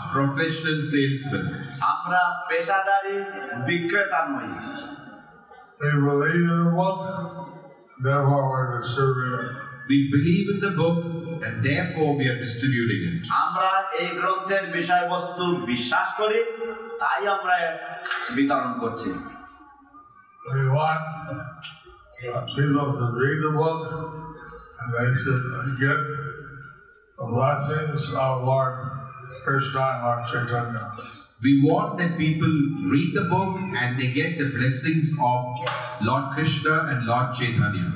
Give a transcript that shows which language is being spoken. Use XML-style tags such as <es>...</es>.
<en>We are not professional salesmen</en> <bn>আমরা পেশাদারি বিক্রেতা নই</bn> <en>They believe in the book therefore we are serving We believe in the book and therefore we are distributing it</en> <bn>আমরা এই গ্রন্থের বিষয়বস্তু বিশ্বাস করি তাই আমরা বিতরণ করছি</bn> <en>We want people to read the book and they should get the blessings of Lord Krishna and Lord Chaitanya. We want that people read the book and they get the blessings of Lord Krishna and Lord Chaitanya.</en>